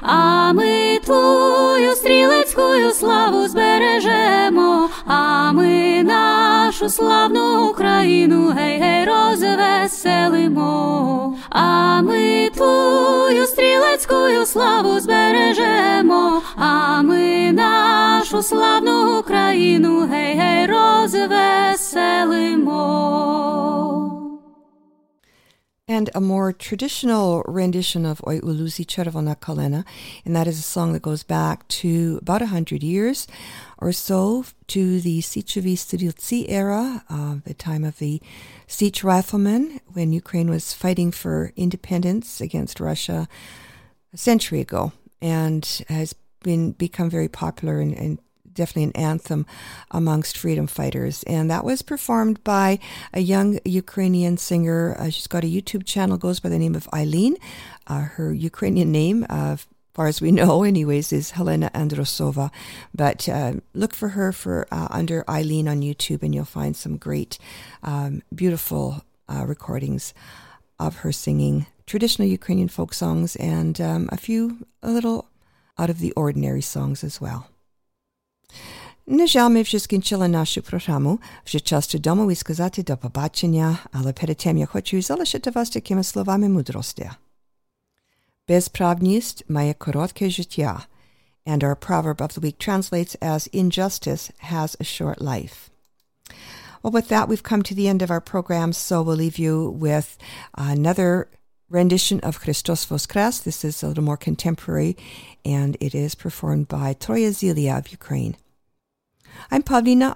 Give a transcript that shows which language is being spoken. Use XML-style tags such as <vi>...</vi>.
<uk>А ми твою стрілецькою славу збережемо, а ми нашу славну Україну гей-гей розвеселимо. А ми твою стрілецькою славу збережемо, а ми нашу славну Україну гей-гей розвеселимо.</uk> <en>And a more traditional rendition of Oi Ulusi Chervona Kalena, and that is a song that goes back to about 100 years or so, to the Sichevi Strilci era, the time of the Sich riflemen, when Ukraine was fighting for independence against Russia a century ago, and has become very popular and definitely an anthem amongst freedom fighters. And that was performed by a young Ukrainian singer. She's got a YouTube channel, goes by the name of Eileen. Her Ukrainian name, as far as we know anyways, is Helena Androsova. But look for her under Eileen on YouTube, and you'll find some great, beautiful recordings of her singing traditional Ukrainian folk songs and a little out of the ordinary songs as well.</en> <uk>На жаль, ми вже скінчили нашу програму. Вже час додому і сказати до побачення, але перед тим я хочу залишити вас такими словами мудрості. Безправність має коротке життя.</uk> <en>And our proverb of the week translates as injustice has a short life. Well, with that, we've come to the end of our program, so we'll leave you with another rendition of Christos Voskres. This is a little more contemporary, and it is performed by Troya Zilia of Ukraine. I'm Pavlina.</en>